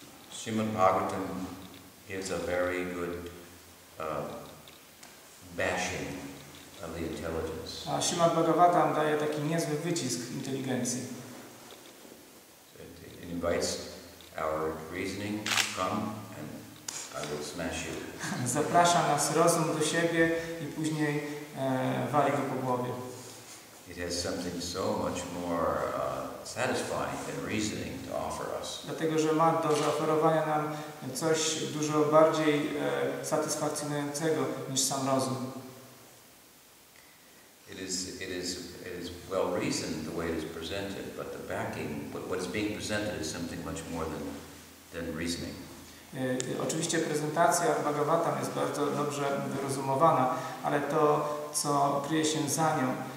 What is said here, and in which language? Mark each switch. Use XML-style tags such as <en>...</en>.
<en>Srimad Bhagavatam is a very good bashing of the intelligence.</en> <pl>A Srimad Bhagavatam daje taki niezły wycisk inteligencji.</pl> <en>Invites our reasoning, come and I will smash you.</en> <pl>Zaprasza nas rozum do siebie i później wali go po głowie.</pl> <en>It has something so much more satisfying than reasoning to offer us.</en> <pl>Dlatego, że ma do zaoferowania nam coś dużo bardziej satysfakcjonującego niż sam rozum.</pl> <en>It is well reasoned the way it is presented, but the backing, what is being presented, is something much more than reasoning.</en> <pl>Oczywiście prezentacja Bhagavatam jest bardzo dobrze wyrozumowana, ale to, co kryje się za nią,</pl>